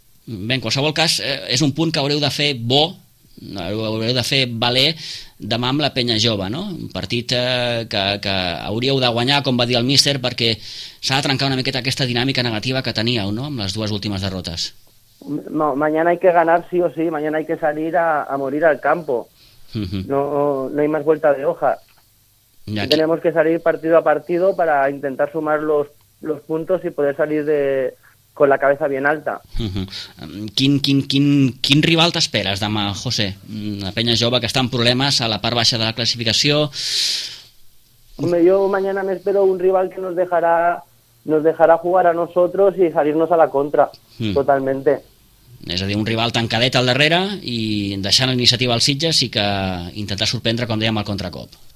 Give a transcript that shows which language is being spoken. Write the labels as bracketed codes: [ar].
[ca] Bé, en qualsevol cas és un punt que haureu de fer bo. Ho haureu de fer valer demà amb la penya jove, no? Un partit que hauríeu de guanyar, com va dir el míster, perquè s'ha de trencar una miqueta aquesta dinàmica negativa que teníeu, no?, amb les dues últimes derrotes. [es] No, mañana hay que ganar sí o sí, mañana hay que salir a morir al campo. No hay más vuelta de hoja. Tenemos que salir partido a partido para intentar sumar los puntos y poder salir de... con la cabeza bien alta. [ca] Quin rival t'esperes demà, José? La penya jove que està en problemes a la part baixa de la classificació. [es] Hombre, yo mañana me espero un rival que nos dejará jugar a nosotros y salirnos a la contra, totalmente. [ca] És a dir, un rival tancadet al darrere i deixant la iniciativa als Sitges i que intentar sorprendre, com dèiem, el contracop.